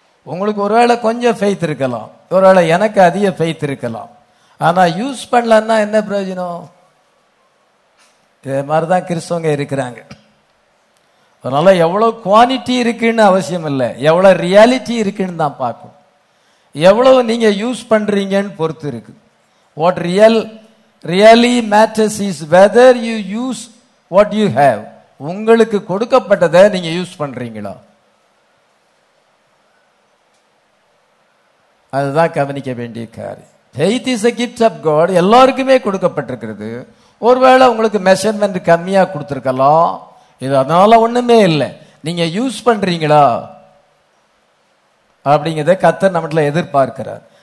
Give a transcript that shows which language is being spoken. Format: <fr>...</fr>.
<ta>உங்களுக்கு ஒருவேளை கொஞ்சம் ஃபெய்த் இருக்கலாம், ஒருவேளை எனக்கு அதிக ஃபெய்த் இருக்கலாம், ஆனால் யூஸ் பண்ணலன்னா என்ன பிரயோஜனம்? இதே மாதிரி தான் கிறிஸ்தவங்க இருக்கிறாங்க. அதனால எவ்வளோ குவாலிட்டி இருக்குன்னு அவசியம் இல்லை, எவ்வளோ ரியாலிட்டி இருக்குன்னு தான் பார்க்கும், எவ்வளோ நீங்கள் யூஸ் பண்ணுறீங்கன்னு பொறுத்து இருக்கு.</ta> <en>What really matters is whether you use what you have.</en> <ta>உங்களுக்கு கொடுக்கப்பட்டதை நீங்கள் யூஸ் பண்ணுறீங்களா, அதுதான் கவனிக்க வேண்டிய காரியம்.</ta> <en>Faith is a gift of God.</en> <ta>எல்லாருக்குமே கொடுக்கப்பட்டிருக்கிறது. ஒருவேளை உங்களுக்கு மெஷர்மெண்ட் கம்மியாக கொடுத்துருக்கலாம், இது அதனால ஒன்றுமே இல்லை, நீங்கள் யூஸ் பண்ணுறீங்களா அப்படிங்கிறத கர்த்தர் நம்மள எதிர்பார்க்கிறார்.</ta>